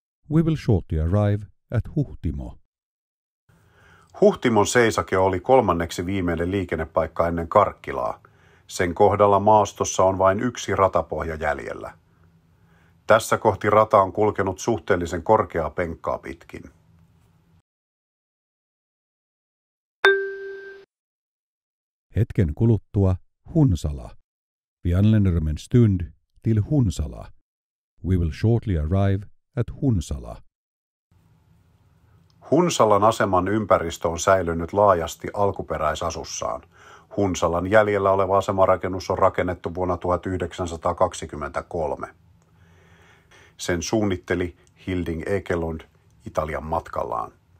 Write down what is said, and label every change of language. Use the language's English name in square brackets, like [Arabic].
[English] We will shortly arrive at Huhtimo. [Finnish] Huhtimon seisake oli kolmanneksi viimeinen liikennepaikka ennen Karkkilaa. Sen kohdalla maastossa on vain yksi ratapohja jäljellä. Tässä kohti rata on kulkenut suhteellisen korkeaa penkkaa pitkin. Hetken kuluttua Hunsala. [Swedish] Vianlenermen stund till Hunsala. [English] We will shortly arrive at Hunsala. [Finnish] Hunsalan aseman ympäristö on säilynyt laajasti alkuperäisasussaan. Hunsalan jäljellä oleva asemarakennus on rakennettu vuonna 1923. Sen suunnitteli Hilding Ekelund Italian matkallaan.